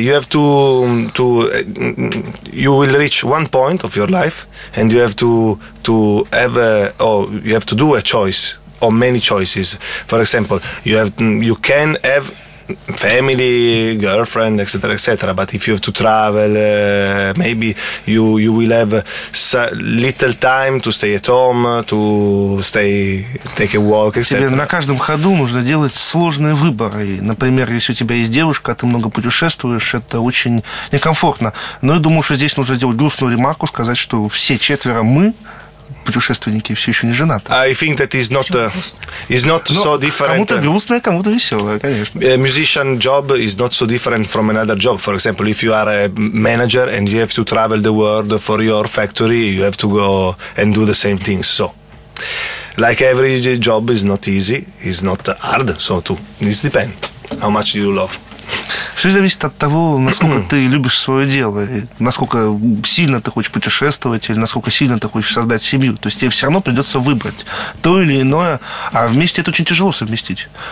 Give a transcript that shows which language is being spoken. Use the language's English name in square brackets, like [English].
[English] You have to you will reach one point of your life and you have to have you have to do a choice or many choices. For example, you can have family, girlfriend, etc., etc. But if you have to travel, maybe you will have little time to stay at home, to stay, take a walk, etc. [Russian] Тебе на каждом ходу нужно делать сложные выборы. Например, если у тебя есть девушка, а ты много путешествуешь, это очень некомфортно. Но я думаю, что здесь нужно делать грустную ремарку, сказать, что все четверо мы путешественники все еще не женаты. [English] I think that is not so different. [Russian] Кому-то грустно, кому-то весело, конечно. [English] A musician job is not so different from another job. For example, if you are a manager and you have to travel the world for your factory, you have to go and do the same things. So, like every job is not easy, is not hard. So too, it depends how much you love. [Russian] Все зависит от того, насколько ты любишь свое дело, насколько сильно ты хочешь путешествовать или насколько сильно ты хочешь создать семью. То есть тебе все равно придется выбрать то или иное, а вместе это очень тяжело совместить.